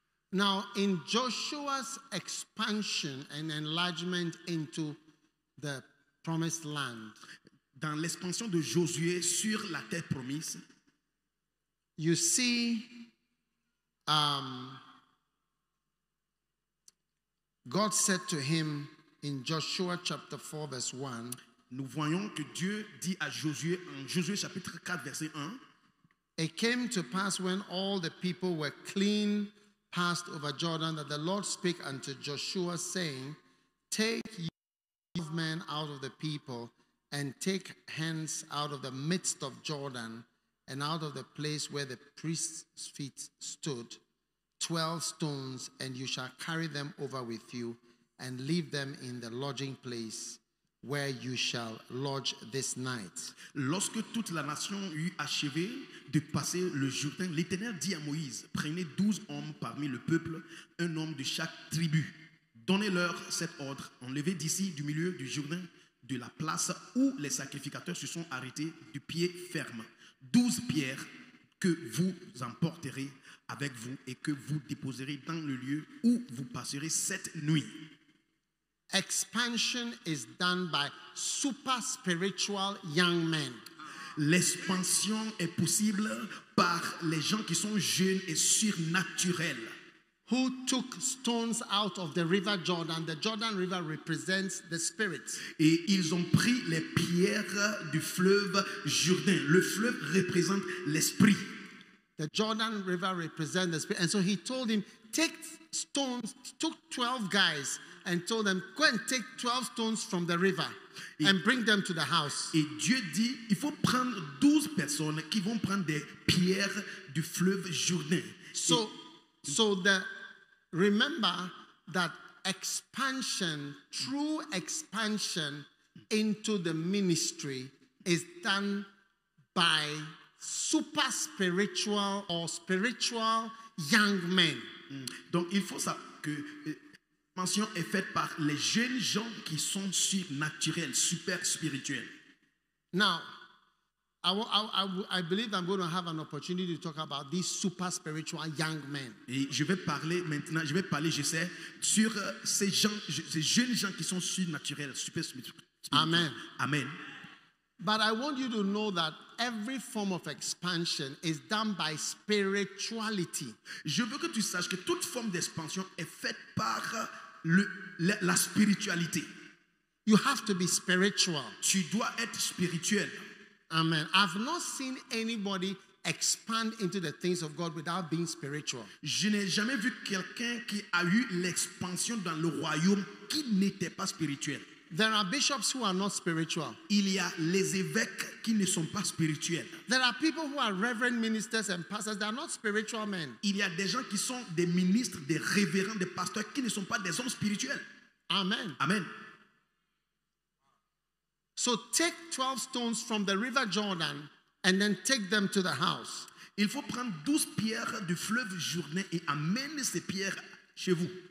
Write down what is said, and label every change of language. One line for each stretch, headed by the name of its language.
English: Now, in Joshua's expansion and enlargement into the promised land,
French: dans l'expansion de Josué sur la terre promise,
English: you see God said to him in Joshua chapter 4 verse 1.
French: Nous voyons que Dieu dit à Josué en Josué chapitre 4 verset 1.
English: It came to pass when all the people were clean passed over Jordan that the Lord spake unto Joshua saying, take ye men out of the people and take hence out of the midst of Jordan and out of the place where the priest's feet stood 12 stones, and you shall carry them over with you and leave them in the lodging place where you shall lodge this night.
French: Lorsque toute la nation eut achevé de passer le Jourdain, l'Éternel dit à Moïse, prenez 12 hommes parmi le peuple, un homme de chaque tribu. Donnez-leur cet ordre, enlevez d'ici du milieu du Jourdain, de la place où les sacrificateurs se sont arrêtés du pied ferme, 12 pierres que vous emporterez avec vous et que vous déposerez dans le lieu où vous passerez cette nuit.
English: Expansion is done by super spiritual young men.
French: L'expansion est possible par les gens qui sont jeunes et surnaturels.
English: Who took stones out of the river Jordan? The Jordan River represents the spirit.
French: Et ils ont pris les pierres du fleuve Jourdain. Le fleuve représente l'esprit.
English: The Jordan River represents the spirit. And so he told him, take stones, took 12 guys and told them, go and take 12 stones from the river and bring them to the house.
French: Et Dieu dit, il faut prendre 12 personnes qui vont prendre des pierres du fleuve Jourdain.
English: So remember that expansion, true expansion into the ministry is done by super spiritual or spiritual young men.
French: Donc il faut savoir que l'expansion est faite par les jeunes gens qui sont surnaturels, super spirituels.
English: Now, I believe I'm going to have an opportunity to talk about these super spiritual young men.
French: Et je vais parler maintenant, je vais parler, je sais, sur ces gens, ces jeunes gens qui sont surnaturels, super spirituels.
English: Amen.
French: Amen.
English: But I want you to know that every form of expansion is done by spirituality.
French: Je veux que tu saches que toute forme d'expansion est faite par la spiritualité.
English: You have to be spiritual.
French: Tu dois être spirituel.
English: Amen. I've not seen anybody expand into the things of God without being spiritual.
French: Je n'ai jamais vu quelqu'un qui a eu l'expansion dans le royaume qui n'était pas spirituel.
English: There are bishops who are not spiritual.
French: Il y a les évêques qui ne sont pas spirituels.
English: There are people who are reverend ministers and pastors. They are not spiritual men.
French: Il y a des gens qui sont des ministres, des révérends, des pasteurs qui ne sont pas des hommes spirituels.
English: Amen.
French: Amen.
English: So take 12 stones from the river Jordan and then take them to the house.
French: Il faut prendre 12 pierres du fleuve Jourdain et amener ces pierres chez vous.